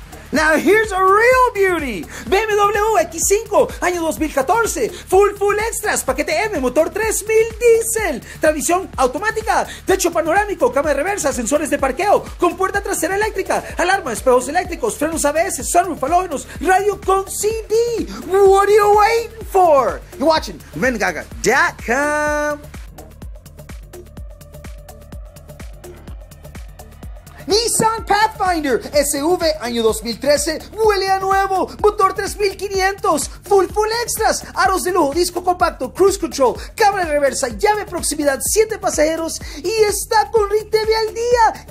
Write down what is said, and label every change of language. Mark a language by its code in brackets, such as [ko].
[en] Now here's a real beauty. [es] BMW X5, año 2014, full extras, paquete M, motor 3000 diesel, transmisión automática, techo panorámico, cámara de reversa, sensores de parqueo, con puerta trasera eléctrica, alarma, espejos eléctricos, frenos ABS, sunroof, halógenos, radio con CD. [en] What are you waiting for? You're watching Vedogaga.com. [es] Nissan Pathfinder SV año 2013, huele a nuevo, motor 3500, full extras, aros de lujo, disco compacto, cruise control, cámara de reversa, llave proximidad, 7 pasajeros y está con RITV al día.